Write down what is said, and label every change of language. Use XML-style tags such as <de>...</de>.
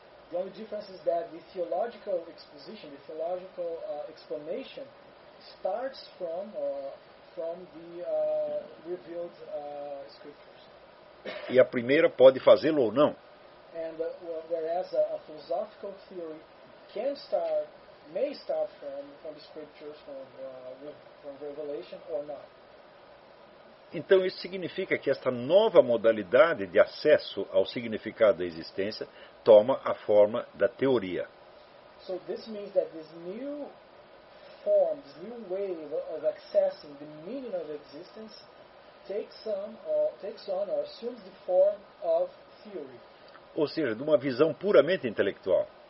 <en>The only difference is that the theological exposition, the theological explanation, starts from from the revealed scriptures.</en> <pt>E a primeira pode fazê-lo ou não.</pt> <en>And whereas a philosophical theory can start, may start from the scriptures, from revelation or not.</en> <pt>Então isso significa que esta nova modalidade de acesso ao significado da existência toma a forma da teoria.</pt> <en>So this means that this new form, this new way of accessing the meaning of existence takes on or assumes the form of theory.</en> <pt>Ou seja, de uma visão puramente intelectual.</pt>